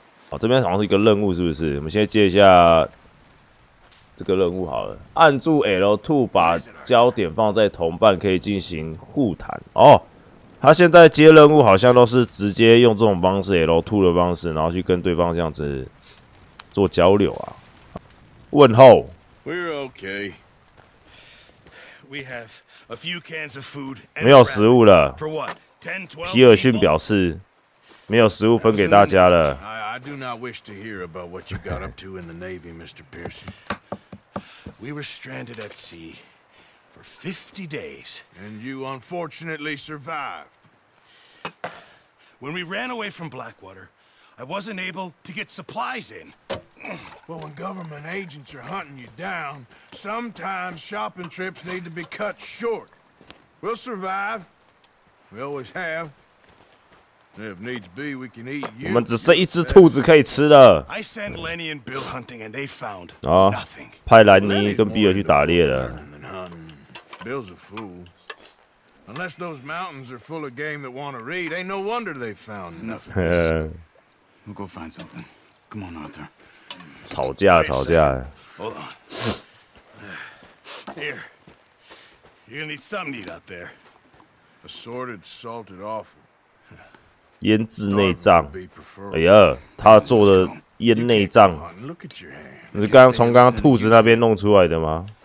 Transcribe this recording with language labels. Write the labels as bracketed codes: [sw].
[zh] 好，这边好像是一个任务，是不是？我们先接一下这个任务好了。按住 L2 把焦点放在同伴，可以进行互谈。哦，他现在接任务好像都是直接用这种方式 L2 的方式，然后去跟对方这样子做交流啊。问候。 [en] We're okay. We have a few cans of food and [zh] 没有食物了。 [en] For what? 10, 12 [zh] 皮尔逊表示没有食物分给大家了。 [en] I do not wish to hear about what you got up to in the Navy, Mr. Pearson. We were stranded at sea for 50 days. And you unfortunately survived. When we ran away from Blackwater, I wasn't able to get supplies in. Well, when government agents are hunting you down, sometimes shopping trips need to be cut short. We'll survive. We always have. If needs be, we can eat you. [zh] 我们只剩一只兔子可以吃了。 [en] I sent Lenny and Bill hunting, and they found nothing. [zh] 派兰尼跟比尔去打猎了。 [en] Bill's a fool. Unless those mountains are full of game that want to read, ain't no wonder they found nothing. We'll go find something. Come on, Arthur. [zh] 吵架，吵架。 [en] Hold on. Here. You're gonna need something to eat out there. Assorted, salted offal. [zh] 腌制内脏，哎呀，他做的腌内脏，你是刚刚兔子那边弄出来的吗？